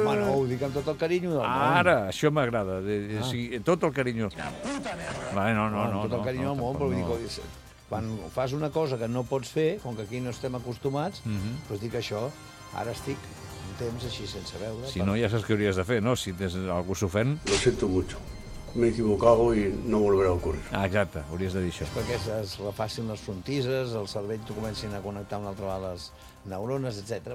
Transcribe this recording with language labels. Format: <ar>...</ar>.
<ca>No, ho dic amb tot el carinyo del món. Ara, això m'agrada. Sí, tot el carinyo. Quina puta merda! Vale, no. Tot el carinyo del món, però vull dir que... Quan fas una cosa que no pots fer, com que aquí no estem acostumats, doncs dic això, ara estic un temps així sense veure. Si no, ja saps què hauries de fer, no? Si tens algú s'ofent...</ca> <es>Lo siento mucho. M'he equivocado y no volverá a ocurrir.</es> <ca>Ah, exacte, hauries de dir això. És perquè es refacin les frontisses, el cervell t'ho comencin a connectar una altra vegada les neurones, etc.</ca>